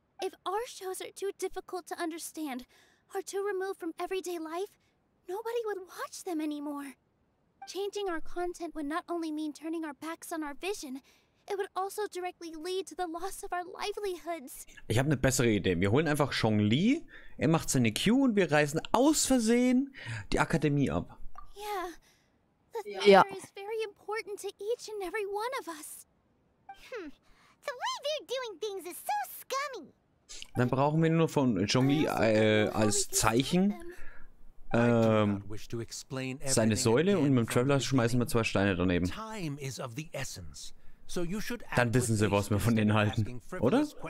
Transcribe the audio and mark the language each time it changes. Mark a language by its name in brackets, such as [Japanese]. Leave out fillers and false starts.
[English] If our shows are too difficult to understand or too removed from everyday life, nobody would watch them anymore. Changing our content would not only mean turning our backs on our vision, it would also directly lead to the loss of our livelihoods. [German] Ich habe eine bessere Idee. Wir holen einfach Chong-Li, er macht seine Q und wir reißen aus Versehen die Akademie ab. [English] Yeah. The theater is very important to each and every one of us. The way they're doing things is so scummy. [German] Dann brauchen wir nur von Chong-Li als Zeichen. Seine Säule und mit dem Traveler schmeißen wir zwei Steine daneben. Dann wissen sie, was wir von denen halten, oder?